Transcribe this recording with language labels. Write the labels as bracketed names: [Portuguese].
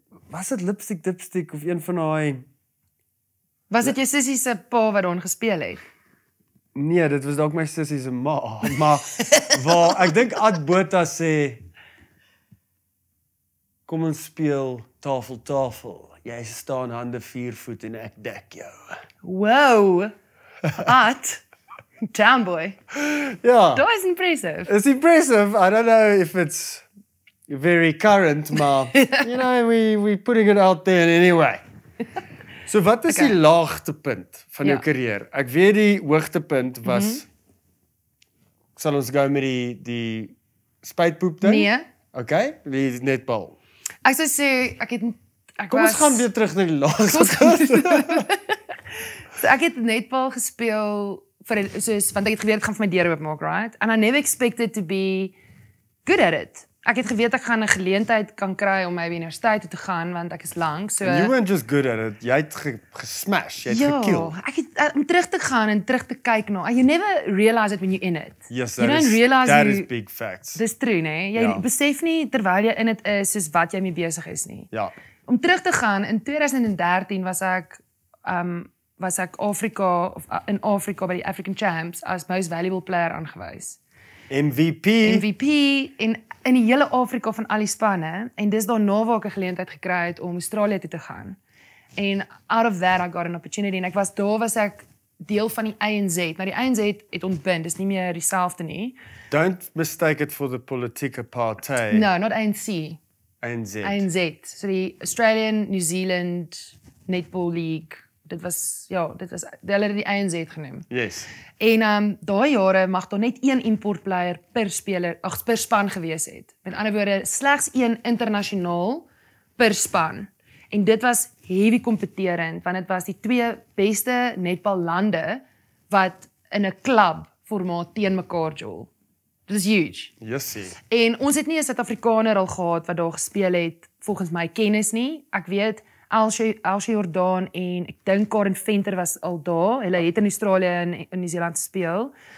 [Afrikaans] Was het lipstick, dipstick of een van die... Was het jou sissie se pa wat daarin gespeel het? Nee, dit was dalk my sissie se ma. Maar, waar, ek dink Ad Bota sê, kom ons speel tafel, tafel. Jy staan hande 4 voet en ek dek jou. Wow! Ad, town boy. Ja. Dat is impressive. [English] It's impressive. I don't know if it's very current, maar, you know, we putting it out there anyway. [Afrikaans] So wat is die laagtepunt van jou karier? Ek weet die hoogtepunt was, sal ons gaan met die spytpoep ding? Nee. Okay, wie netbal? Ek sou sê, ek het... Kom ons gaan weer terug naar die laagtepunt. So ek het netbal gespeel, want ek het geweet, ek gaan vir my deur oopmaak, right? [English] And I never expected to be good at it. [Afrikaans] Ek het geweet ek gaan 'n geleentheid kan kry om my universiteit toe te gaan, want ek is lang. So, [English] you weren't just good at it. [Afrikaans] Jy het gesmash, jy het gekill. Ek het om terug te gaan en terug te kyk na. [English] You never realize it when you're in it. Yes, that is big facts. [Afrikaans] Dis true, nee. Jy besef nie terwyl jy in het is, soos wat jy mee besig is nie. Ja. Om terug te gaan, in 2013 was ek Afrika, in Afrika by die African Champs as most valuable player aangewys. MVP in die hele Afrika van al die spanne en dis daarna waar ek 'n geleentheid gekry het om Australië toe te gaan. En [English] out of that I got an opportunity [Afrikaans] en ek was daar was ek deel van die ANZ. Nou die ANZ het ontbind, dis nie meer dieselfde nie. [English] Don't mistake it for the political party. No, not ANC. ANZ. [Afrikaans] ANZ. So die Australian New Zealand Netball League. Dit was hulle het die ANZ genoem. [English] Yes. [Afrikaans] En daai jare mag daar net een import player per speler, ag per span gewees het. Met ander woorde, slegs een internasionaal per span. En dit was heavy kompeterend, want dit was die twee beste netbal lande wat in 'n klub formaat teen mekaar jol. Dit is huge. [English] Yes, see. [Afrikaans] En ons het nie 'n Suid-Afrikaner al gehad wat daar gespeel het volgens my kennis nie. Ek weet Alshie Jordaan en ek dink Karen Venter was al daar. Hulle het in Australië en in Nieu-Seeland speel.